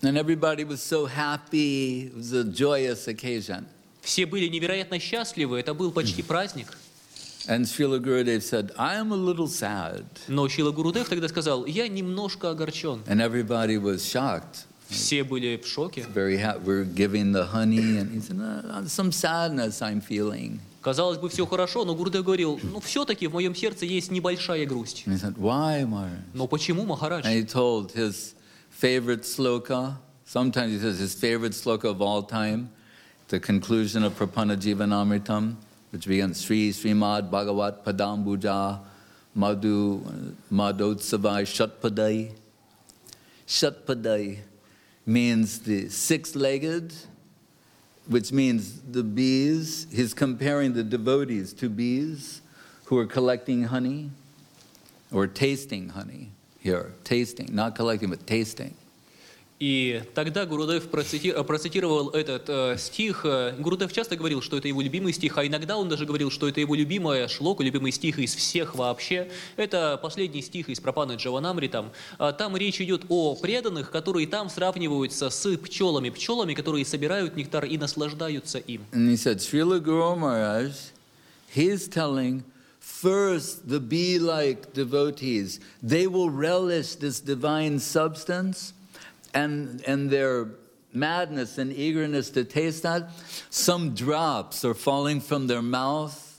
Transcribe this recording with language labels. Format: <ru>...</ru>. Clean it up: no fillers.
<en>And everybody was so happy, it was a joyous occasion.</en> <ru>Все были невероятно счастливы, это был почти праздник.</ru> <en>And Srila Gurudev said, I am a little sad.</en> <ru>Но Шрила Гурудев тогда сказал, я немножко огорчен.</ru> <en>And everybody was shocked.</en> <ru>Все были в шоке.</ru> <en>Very happy. We're giving the honey. And he said, oh, some sadness I'm feeling.</en> <ru>Казалось бы, все хорошо, но Гурудев говорил, ну, все-таки в моем сердце есть небольшая грусть.</ru> <en>And he said, why, Maharaj?</en> <ru>Но почему, Махарадж?</ru> <en>And he told his favorite sloka. Sometimes he says his favorite sloka of all time, the conclusion of Prapanajivanamritam. Which begins</en> <sa>Sri Srimad Bhagavat Padambuja Madhu Madhotsavai Shatpadai.</sa> <en>Shatpadai means the six-legged, which means the bees. He's comparing the devotees to bees who are collecting honey or tasting honey here. Tasting, not collecting, but tasting.</en> <ru>И тогда Гурудев процитировал этот стих. Гурудев часто говорил, что это его любимый стих, а иногда он даже говорил, что это его любимая шлока, любимый стих из всех вообще. Это последний стих из Прапана Джаванамритам. Там речь идет о преданных, которые там сравниваются с пчелами. Пчелами, которые собирают нектар и наслаждаются им.</ru> <en>And he said, Srila Guru Maharaj, he's telling, first the bee-like devotees, they will relish this divine substance. And their madness and eagerness to taste that, some drops are falling from their mouth.</en>